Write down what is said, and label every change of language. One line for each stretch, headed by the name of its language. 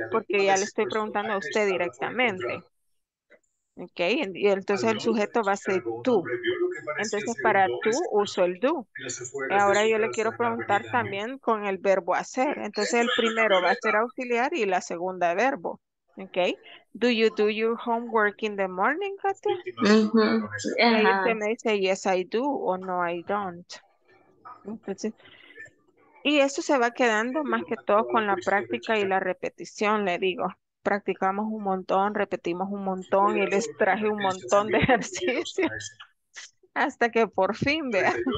Spanish: Porque ya le estoy preguntando a usted directamente. Ok, y entonces el sujeto va a ser tú. Entonces para tú uso el do. Ahora yo le quiero preguntar también con el verbo hacer. Entonces el primero va a ser auxiliar y la segunda verbo.
English: Ok, do you do your homework in the morning, Katia? Mm-hmm.
Spanish: Y usted me dice
English: yes I do
Spanish: o
English: no I don't.
Spanish: Entonces, y eso se va quedando más que todo con la práctica y la repetición, le digo. Practicamos un montón, repetimos un montón y les traje un montón de ejercicios. Hasta que por fin, vea.